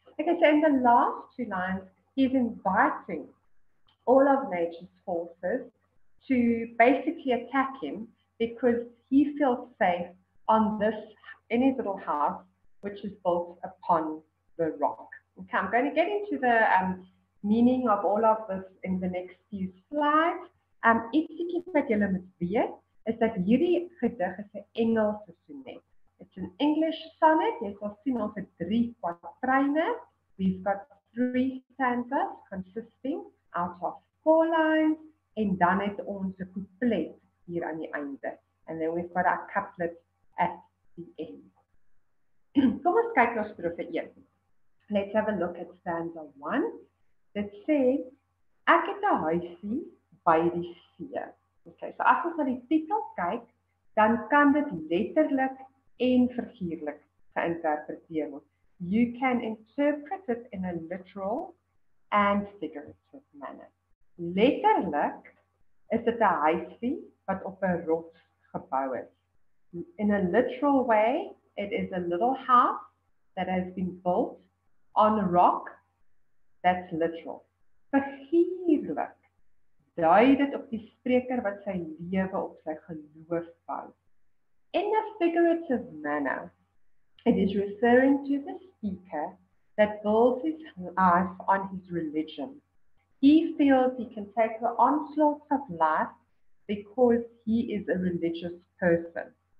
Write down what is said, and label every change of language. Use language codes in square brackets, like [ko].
[en] Okay, so in the last two lines, he's inviting all of nature's forces to basically attack him because he feels safe on this, in his little house, which is built upon the rock. Okay, I'm going to get into the meaning of all of this in the next few slides. [af] Ietsiekie wat julle moet weet is dat hierdie gedig is 'n Engelse sonnet. [en] It's an English sonnet. [af] Jy sal sien ons het drie kwatryne. [en] We've got three stanzas consisting out of four lines. [af] En dan het ons 'n couplet hier aan die einde. [en] And then we've got our couplet at the end. [af] Kom ons kyk na strofe 1. [en] Let's have a look at stanza 1. It says, ek het 'n huisie by die see. [af] Okay, so as ons na die titel kyk, dan kan dit letterlik en figuurlik geïnterpreteer word. [en] You can interpret it in a literal and figurative manner. [af] Letterlik is dit 'n huisie wat op 'n rots gebou is. [en] In a literal way, it is a little house that has been built on a rock. That's literal. [af] Figuurlik dui dit op die spreker wat sy lewe op sy geloof bou. [en] In a figurative manner, it is referring to the speaker that builds his life on his religion. He feels he can take the onslaughts of life because he is a religious person.